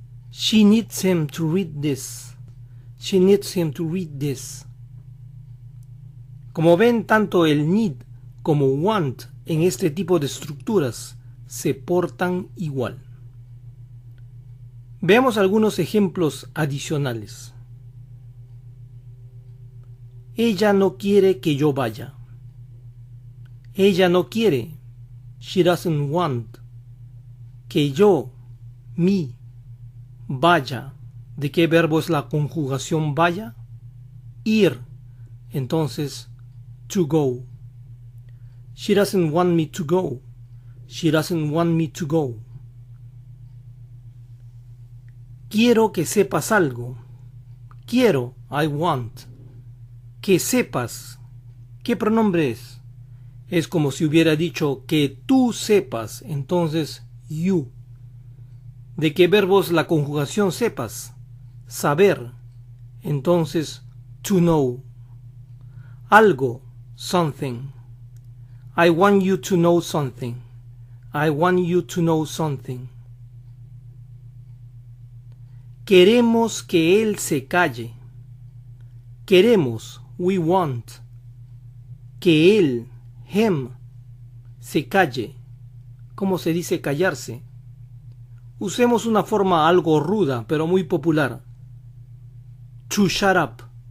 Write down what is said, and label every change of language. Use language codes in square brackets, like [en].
[en] She needs him to read this. She needs him to read this. [es] Como ven, tanto el need como want en este tipo de estructuras se portan igual. Veamos algunos ejemplos adicionales. Ella no quiere que yo vaya. Ella no quiere, [en] she doesn't want, [es] que yo, me, vaya. ¿De qué verbo es la conjugación vaya? Ir. Entonces, [en] to go. She doesn't want me to go. She doesn't want me to go. [es] Quiero que sepas algo. Quiero, [en] I want. [es] Que sepas. ¿Qué pronombre es? Es como si hubiera dicho que tú sepas, entonces you. ¿De qué verbos la conjugación sepas? Saber, entonces [en] to know. [es] Algo, something. [en] I want you to know something. I want you to know something. [es] Queremos que él se calle. Queremos, [en] we want, [es] que él, him, se calle. ¿Cómo se dice callarse? Usemos una forma algo ruda, pero muy popular. [en] To shut up.